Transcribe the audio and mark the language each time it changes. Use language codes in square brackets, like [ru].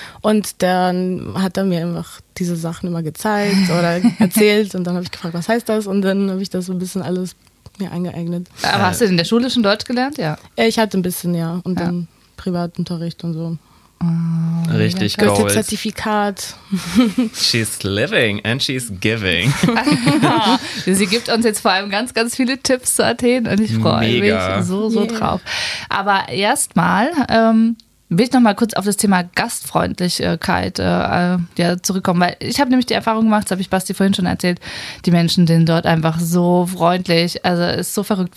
[de] Und dann hat er mir einfach diese Sachen immer gezeigt oder erzählt. Und dann habe ich gefragt, was heißt das? Und dann habe ich das so ein bisschen alles mir angeeignet. Aber hast du in der Schule schon Deutsch gelernt? Ja. Ich hatte ein bisschen, ja. Und dann Privatunterricht und so. Richtig gut. Cool. Zertifikat. [en] She's living and she's giving. [de] Sie gibt uns jetzt vor allem ganz, ganz viele Tipps zu Athen und ich freue mich so, so drauf. Aber erstmal will ich nochmal kurz auf das Thema Gastfreundlichkeit zurückkommen, weil ich habe nämlich die Erfahrung gemacht, das habe ich Basti vorhin schon erzählt, die Menschen sind dort einfach so freundlich, also ist so verrückt.